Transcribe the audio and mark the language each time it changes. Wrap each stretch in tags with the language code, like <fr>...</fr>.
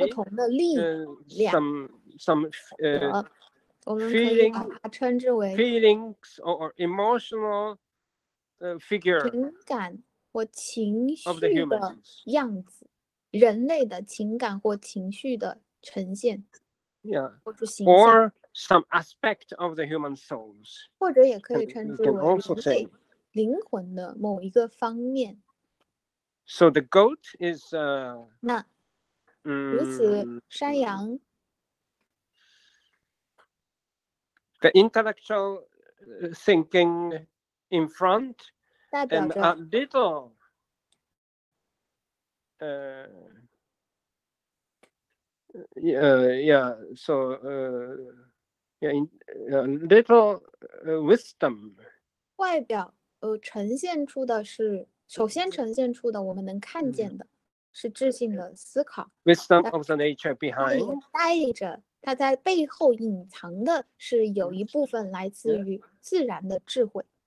<zh>不同的力量。</zh> <en>Some feeling,</en> <zh>我们可以把它称之为</zh> <en>feelings or emotional figure</en> <zh>情感。或情绪的样子</zh> <en>the</en> <zh>人类的情感或情绪的呈现</zh> <en>yeah, or some aspect of the human souls</en> <zh>或者也可以称之为人类灵魂的某一个方面</zh> <en>so the goat is</en> <zh>那如此山羊</zh> <en>the intellectual thinking in front and a little little wisdom</en> <zh>外表呈现出的是首先呈现出的我们能看见的是智性的思考</zh> <en>wisdom of the nature behind</en> <zh>带着它在背后隐藏的是有一部分来自于自然的智慧</zh>